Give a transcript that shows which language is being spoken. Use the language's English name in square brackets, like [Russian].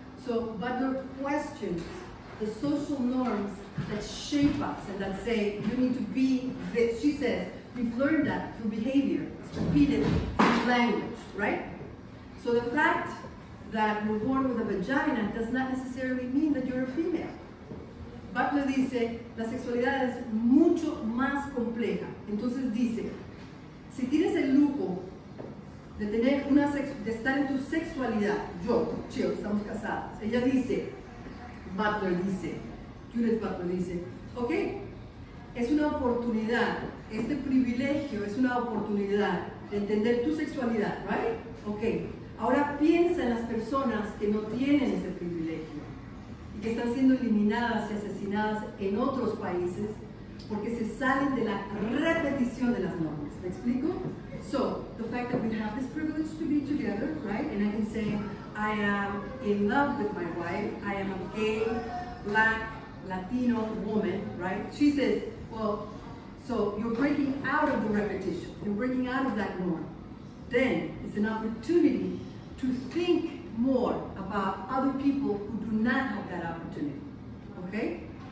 [English] So, Butler questions the social norms that shape us and that say, you need to be this. She says, we've learned that through behavior. It's repeated through language, right? So the fact that you're born with a vagina does not necessarily mean that you're a female. [Spanish] Butler dice, la sexualidad es mucho más compleja. Entonces dice, si tienes el lujo de tener una de estar en tu sexualidad, yo, chill, estamos casados. Ella dice, Butler dice, Judith Butler dice, ok, es una oportunidad, este privilegio es una oportunidad de entender tu sexualidad, right? Ok, ahora piensa en las personas que no tienen ese privilegio y que están siendo eliminadas y asesinadas en otros países porque se salen de la repetición de las normas. ¿Me explico? [English] So, the fact that we have this privilege to be together, right? And I can say, I am in love with my wife. I am a gay, black, Latino woman, right? She says, well, so you're breaking out of the repetition. You're breaking out of that norm. Then it's an opportunity to think more about other people who do not have that opportunity, okay?